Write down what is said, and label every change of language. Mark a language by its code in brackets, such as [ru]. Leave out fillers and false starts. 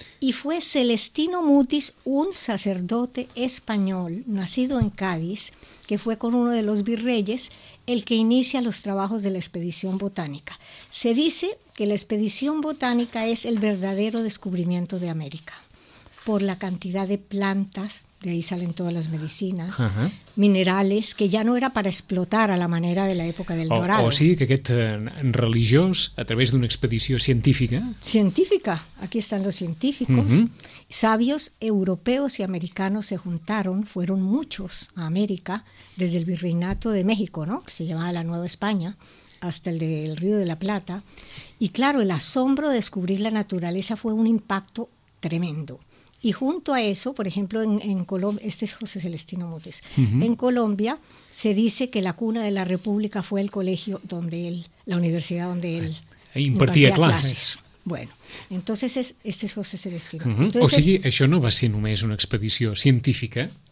[es] Y fue Celestino Mutis, un sacerdote español nacido en Cádiz, que fue con uno de los virreyes, el que inicia los trabajos de la expedición botánica. Se dice que la expedición botánica es el verdadero descubrimiento de América, por la cantidad de plantas, de ahí salen todas las medicinas, minerales, que ya no era para explotar a la manera de la época del Dorado. [ca] O sí, que aquest religiós, a través d'una expedició científica... [es] Científica, aquí están los científicos. Sabios europeos y americanos se juntaron, fueron muchos a América, desde el Virreinato de México, ¿no?, que se llamaba la Nueva España, hasta el del Río de la Plata. Y claro, el asombro de descubrir la naturaleza fue un impacto tremendo. Y junto a eso, por ejemplo, en Colombia, este es José Celestino Mutis, en Colombia se dice que la cuna de la República fue el colegio donde él, la universidad donde él impartía clases. Bueno, entonces este es José Celestino. [ca] O sigui, això no va ser només una expedició científica,